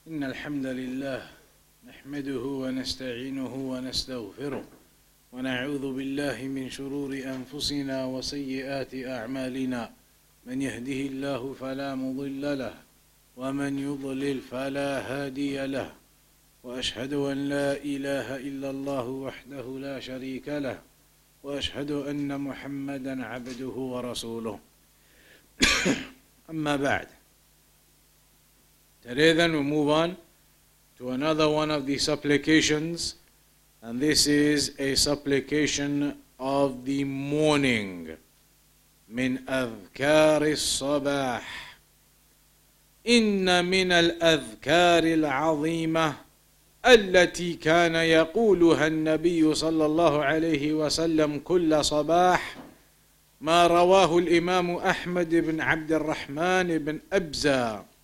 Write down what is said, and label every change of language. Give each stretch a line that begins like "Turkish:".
Arabic: إن الحمد لله نحمده ونستعينه ونستغفره ونعوذ بالله من شرور أنفسنا وسيئات أعمالنا، من يهده الله فلا مضل له ومن يضلل فلا هادي له، وأشهد أن لا إله إلا الله وحده لا شريك له، وأشهد أن محمدا عبده ورسوله. أما بعد،
English: today then we move on to another one of the supplications, and this is a supplication of the morning.
Arabic: من أذكار الصباح. إن من الأذكار العظيمة التي كان يقولها النبي صلى الله عليه وسلم كل صباح ما رواه الإمام أحمد بن عبد الرحمن بن أبزى